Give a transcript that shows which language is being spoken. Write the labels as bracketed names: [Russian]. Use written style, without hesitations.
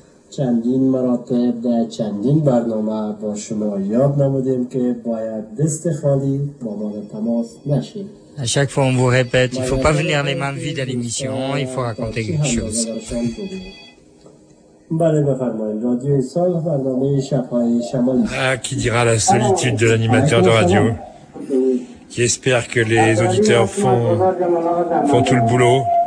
[Persian] چندین مراتب در چندین برنامه با شما یاد نمودیم که باید دست خالی با ما تماس نشید. [French] À chaque fois on vous répète, il faut pas venir les mains vides à l'émission, il faut raconter quelque chose. [Persian] بله بفرمایید. رادیو سال برنامه شب‌های شمالی. [French] Ah, qui dira la solitude de l'animateur de radio, qui espère que les auditeurs font tout le boulot.